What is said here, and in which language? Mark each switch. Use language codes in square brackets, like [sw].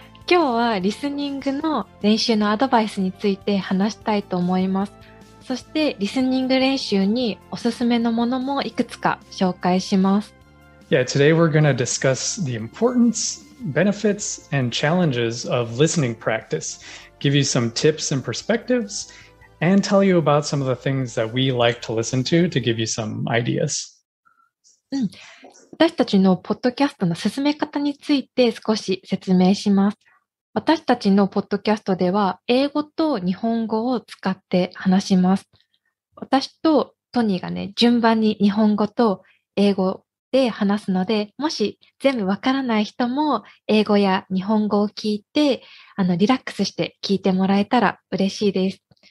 [ja] 今日はリスニングの練習のアドバイスについて話したいと思います。そしてリスニング練習におすすめのものもいくつか紹介します。 [en] Yeah, today we're going to discuss the importance, benefits, and challenges of listening practice, give you some tips and perspectives, and tell you about some of the things that we like to listen to give you some ideas. [ja] 私たちのポッドキャストの進め方について少し説明します。私たちのポッドキャストでは英語と日本語を使って話します。私とトニーがね、順番に日本語と英語で話すので、もし全部わからない人も英語や日本語を聞いて、リラックスして聞いてもらえたら嬉しいです。